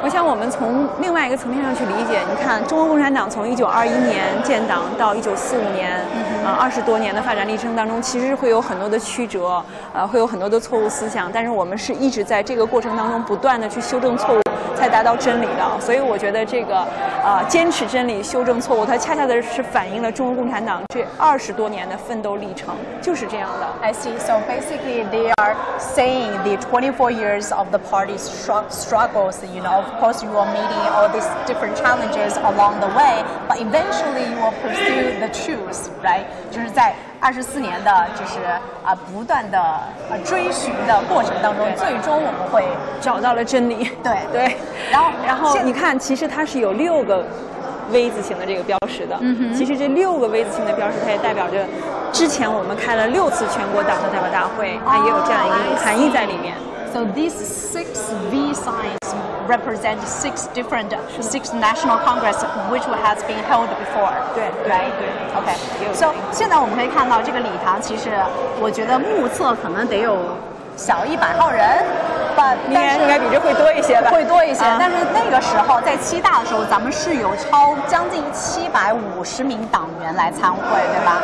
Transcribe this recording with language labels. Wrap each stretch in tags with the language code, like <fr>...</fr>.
<zh>我想我们从另外一个层面上去理解。你看，中国共产党从1921年建党到1945年，20多年的发展历程当中，其实会有很多的曲折，会有很多的错误思想。但是我们是一直在这个过程当中不断的去修正错误。才达到真理的，所以我觉得这个，坚持真理、修正错误，它恰恰的是反映了中国共产党这20多年的奋斗历程，就是这样的。</zh> <en>I see. So basically, they are saying the 24 years of the party's struggles. You know, of course, you are meeting all these different challenges along the way, but eventually, you will pursue the truth, right?</en> <zh>就是在24年的，就是不断的追寻的过程当中，最终我们会找到了真理。对对。然后你看，其实它是有六个 V 字形的这个标识的。其实这六个 V 字形的标识，它也代表着之前我们开了六次全国党的代表大会，它也有这样一个含义在里面。</zh> <en>So these six V signs represent six national congress which has been held before.</en> <zh>对对对。</zh> <en>OK.</en> <zh>So 现在我们可以看到这个礼堂，其实我觉得目测可能得有小100号人。应该比这会多一些吧，会多一些。但是那个时候在七大的时候，咱们是有超将近750名党员来参会，对吧？</zh>